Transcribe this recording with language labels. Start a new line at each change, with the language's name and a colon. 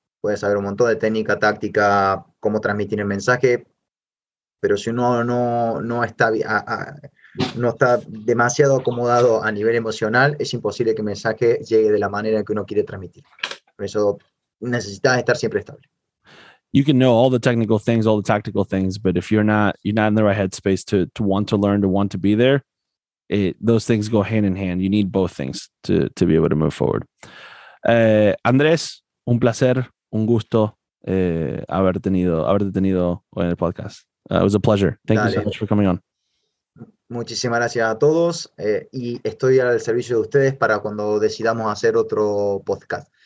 Spanish: Puede saber un montón de técnica, táctica, cómo transmitir el mensaje. Pero si uno no está demasiado acomodado a nivel emocional, es imposible que el mensaje llegue de la manera que uno quiere transmitir. Por eso necesitas estar siempre estable.
English: You can know all the technical things, all the tactical things, but if you're not in the right headspace to want to learn, to want to be there, those things go hand in hand. You need both things to be able to move forward.
Spanish: Andrés, un placer, un gusto haberte tenido hoy en el podcast.
English: It was a pleasure. Thank you so much for coming on.
Spanish: Muchísimas gracias a todos, y estoy al servicio de ustedes para cuando decidamos hacer otro podcast.